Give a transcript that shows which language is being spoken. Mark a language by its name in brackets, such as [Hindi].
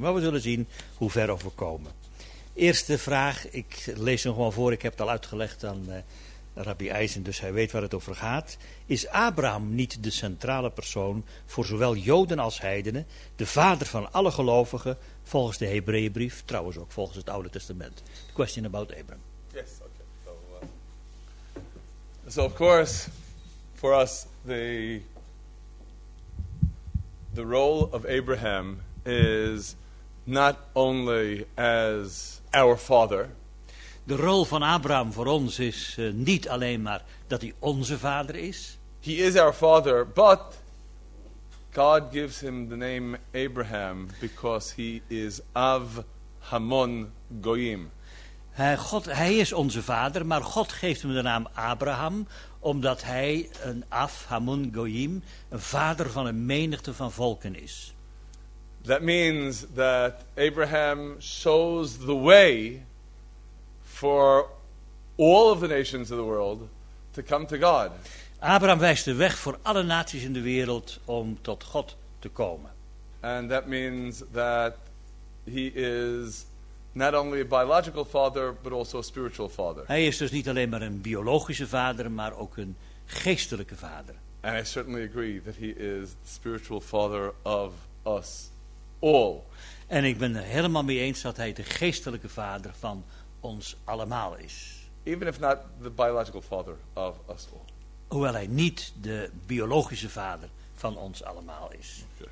[Dutch] Maar we zullen zien hoe ver we komen. Eerste vraag, ik lees hem gewoon voor, ik heb het al uitgelegd aan Rabbi Eisen, dus hij weet waar het over gaat. Is Abraham niet de centrale persoon voor zowel Joden als heidenen, de vader van alle gelovigen, volgens de Hebreeënbrief, trouwens ook volgens het Oude Testament? [English] The question about Abraham. Yes, okay. So of course, for us, the role of Abraham is not only as our father. [Dutch] De rol van Abraham voor ons is niet alleen maar dat hij onze vader is. [English] He is our father, but God gives him the name Abraham because he is Av Hamon Goyim. [Dutch] Hij is onze vader, maar God geeft hem de naam Abraham omdat hij een Av Hamon Goyim, een vader van een menigte van volken is. [English] That means that Abraham shows the way for all of the nations of the world to come to God. [Dutch] Abraham wijst de weg voor alle naties in de wereld om tot God te komen. [English] And that means that he is not only a biological father, but also a spiritual father. [Dutch] Hij is dus niet alleen maar een biologische vader, maar ook een geestelijke vader. [English] And I certainly agree that he is the spiritual father of us all. [Dutch] En ik ben er helemaal mee eens dat hij de geestelijke vader van ons allemaal is. [English] Even if not the biological father of us all. [Dutch] Hoewel hij niet de biologische vader van ons allemaal is.